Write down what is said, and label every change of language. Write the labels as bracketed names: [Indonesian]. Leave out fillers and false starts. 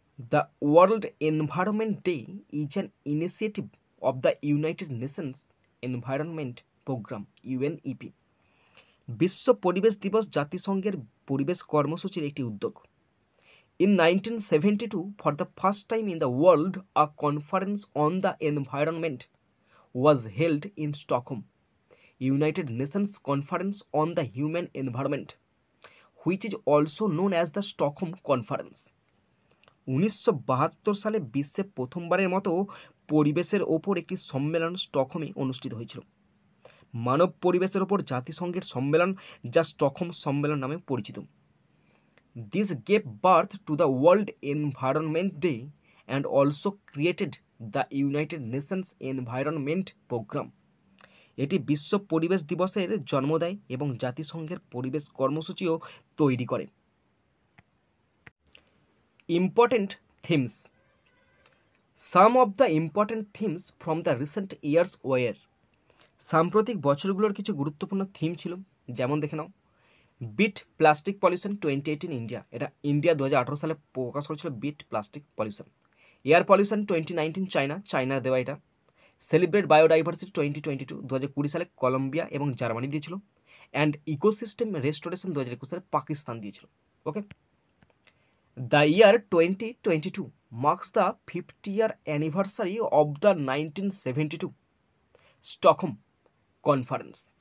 [English] The world environment day is an initiative of the United Nations environment programme UNEP। [Bangla] বিশ্ব পরিবেশ দিবস জাতিসংঘের পরিবেশ কর্মসূচির একটি উদ্যোগ। [English] In 1972, for the first time in the world, a conference on the environment was held in Stockholm, United Nations Conference on the Human Environment, which is also known as the Stockholm Conference. [Bangla] 1972 সালে বিশ্বে প্রথমবারের মতো পরিবেশের ওপর একটি সম্মেলন স্টকহোমে অনুষ্ঠিত হয়েছিল, মানব পরিবেশের ওপর জাতিসংঘের সম্মেলন, যা স্টকহোম সম্মেলন নামে পরিচিত। [English] This gave birth to the World Environment Day and also created the United Nations Environment Program. [Bangla] এটি বিশ্ব পরিবেশ দিবসের জন্ম দেয় এবং জাতিসংঘের পরিবেশ কর্মসূচিও তৈরি করে। [English] Important themes. Some of the important themes from the recent years were. [Bangla] সাম্প্রতিক বছরগুলোর কিছু গুরুত্বপূর্ণ থিম ছিল, যেমন দেখে নাও, বিট প্লাস্টিক পলিউশন 2018 ইন্ডিয়া, এটা ইন্ডিয়া 2018 সালে প্রকাশ করেছিল bit plastic pollution. Air pollution 2019 China, চায়নার দেওয়া এটা। সেলিব্রেট বায়োডাইভার্সিটি 2022 2020 সালে কলম্বিয়া এবং জার্মানি দিয়েছিল। [English] and ecosystem restoration 2021 [Bangla] সালে পাকিস্তান দিয়েছিল। [English] Okay, the year 2022 marks the 50 year anniversary of the 1972 Stockholm conference.